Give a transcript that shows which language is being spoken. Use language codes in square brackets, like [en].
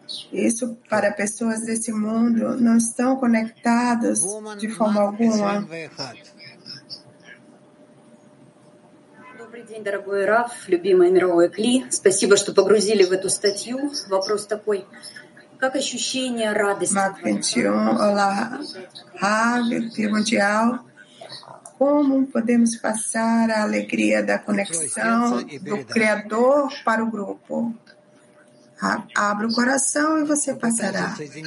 [pt] Isso para pessoas desse mundo não estão conectadas de forma alguma. [ru] День, дорогой Раф, любимое мировое кли. Спасибо, что погрузили в эту статью. Вопрос такой: как ощущение радости? [pt] Мак 21, olá, Rav, mundial. Como podemos passar a alegria da conexão do Criador para o grupo? Abra o coração e você passará.